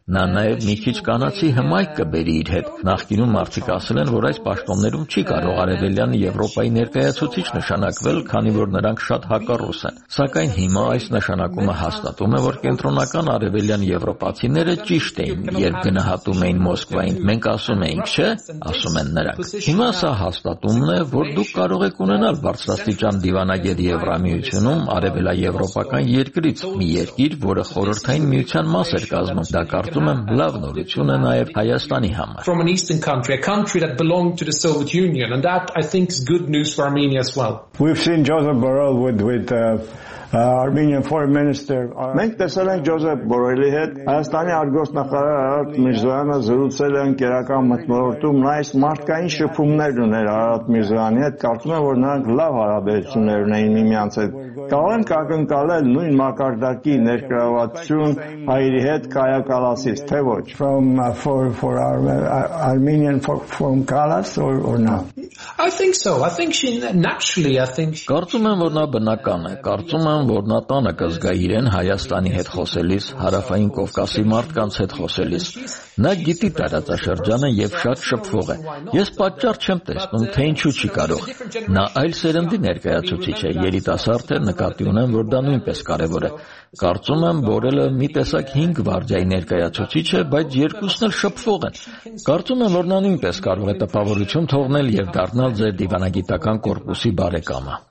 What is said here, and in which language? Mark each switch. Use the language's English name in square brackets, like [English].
[Armenian] Նա նաև մի քիչ կանացի հմայք կբերի իր հետ։ Նախկինում մարդիկ ասել են, որ այս պաշտոններում չի կարող արևելյան Եվրոպայի ներկայացուցիչ նշանակվել, քանի որ նրանք շատ հակառուս են, սակայն հիմա այս նշանակումը հաստատում է, որ կենտրոնական արևելյան եվրոպացիները ճիշտ էին, երբ գնահատում էին Մոսկվային։ Մենք ասում էինք, չէ՞, ասում են նրանք։ Հիմա սա հաստատումն է, որ դուք կարող եք ունենալ բարձրաստիճան դիվանագետ Եվրամիությունում արևելաեվրոպական երկրից, մի երկիր, որը խորհրդային միության մաս էր կազմում։ Դա կարծում եմ լավ նորություն է նաև Հայաստանի համար. [English] From an eastern country, a country that belonged to the Soviet Union, and that I think is good news for Armenia as well. We've seen Joseph Borrell with Armenian foreign minister. [Armenian] Մենք տեսել ենք Ջոզեֆ Բորելի հետ Հայաստանի արտգործնախարար Արարատ Միրզոյանը զրուցել են քաղաքական մտորտում, նա այս մարդկային շփումներ ուներ Արարատ Միրզոյանի հետ, կարծում եմ, որ նրանք լավ հարաբերություններ ունեին միմյանց հետ։ Կարող ենք ակնկալել նույն մակարդակի ներգրավվածություն հայերի հետ Kaja Kallas-ից, թե ոչ։ [English] For Armenian from Kallas or not? I think so. I think she naturally, I think she [Armenian] Կարծում եմ, որ նա բնական է, կարծում եմ, որ նա տանը կզգա իրեն Հայաստանի հետ խոսելիս, հարավային Կովկասի մարդկանց հետ խոսելիս։ Նա գիտի տարածաշրջանը և շատ շփվող է։ Ես պատճառ չեմ տեսնում, թե ինչու չի կարող։ Նա այլ սերնդի ներկայացուցիչ է, երիտասարդ է, նկատի ունեմ, որ դա նույնպես կարևոր է։ Կարծում եմ, Բորելը մի տեսակ 5 վարդյայի ներկայացուցիչ է, բայց երկուսն էլ շփվող են։ Կարծում եմ, որ նա նույնպես կարող է տպավորություն թողնել և դառնալ ձեր դիվանագիտական կորպուսի բարեկամը։